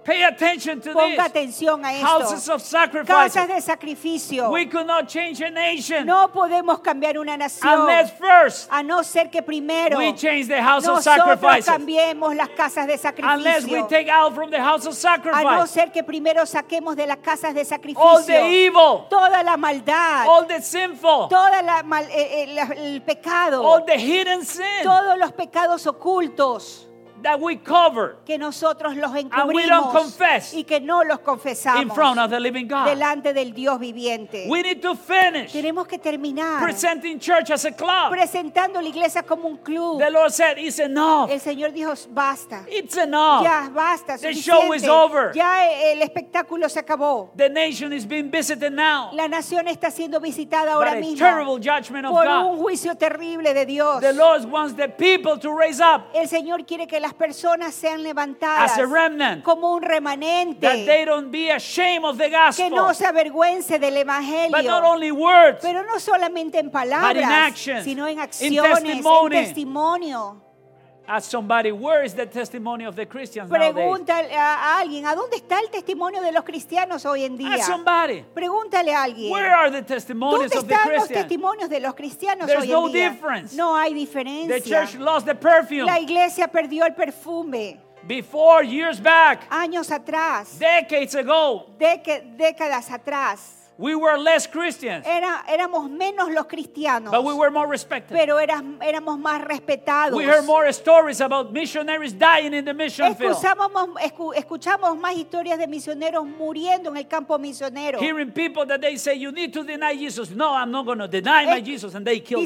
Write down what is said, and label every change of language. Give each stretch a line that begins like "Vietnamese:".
English: Pay attention to
Spanish: Ponga
English: this.
Spanish: Ponga atención a esto.
English: Houses of sacrifice.
Spanish: Casas de sacrificio.
English: We could not change a nation.
Spanish: No podemos cambiar una nación.
English: Unless first.
Spanish: A no ser que primero.
English: We change the house of sacrifice.
Spanish: Cambiemos las casas de sacrificio.
English: Unless we take out from the house of sacrifice.
Spanish: A no ser que primero saquemos de las casas de sacrificio.
English: All the evil.
Spanish: Toda la maldad.
English: All the sinful.
Spanish: Toda la mal, el pecado.
English: All the hidden sin.
Spanish: Todos los pecados ocultos.
English: That we cover.
Spanish: Que nosotros los encubrimos.
English: And we don't confess.
Spanish: Y que no los confesamos.
English: In front of the living God.
Spanish: Delante del Dios viviente.
English: We need to finish.
Spanish: Tenemos que terminar.
English: Presenting church as a club.
Spanish: Presentando la iglesia como un club.
English: The Lord said, it's enough.
Spanish: El Señor dijo, basta.
English: It's enough.
Spanish: Ya, basta, suficiente.
English: The show is over.
Spanish: Ya el espectáculo se acabó.
English: The nation is being visited now.
Spanish: La nación está siendo visitada ahora mismo.
English: By a terrible judgment of
Spanish: por
English: God.
Spanish: Por un juicio terrible de Dios.
English: The Lord wants the people to raise up.
Spanish: El Señor quiere que las personas sean levantadas
English: as a remnant,
Spanish: como un remanente,
English: that they don't be ashamed of the gospel,
Spanish: que no se avergüence del evangelio,
English: but not only words,
Spanish: pero no solamente en palabras,
English: but in actions,
Spanish: sino en acciones,
English: in
Spanish: testimonio.
English: Ask somebody, where is the testimony of the Christians nowadays?
Spanish: Pregúntale a alguien, ¿a dónde está el testimonio de los cristianos hoy en día?
English: Ask somebody.
Spanish: Pregúntale a alguien.
English: Where are the testimones of the Christians?
Spanish: ¿Dónde están los testimonios de los cristianos
English: There's
Spanish: hoy en
English: no
Spanish: día?
English: Difference.
Spanish: No hay diferencia.
English: The church lost the perfume.
Spanish: La iglesia perdió el perfume.
English: Before, years back.
Spanish: Años atrás.
English: Decades ago.
Spanish: Décadas atrás.
English: We were less Christians.
Spanish: Éramos menos los cristianos.
English: But we were more respected.
Spanish: Pero éramos más respetados.
English: We heard more stories about missionaries dying in the mission
Spanish: escuchamos más historias de misioneros muriendo en el campo misionero.
English: Hearing people that they say you need to deny Jesus. No, I'm not going to deny my Jesus, and they kill him.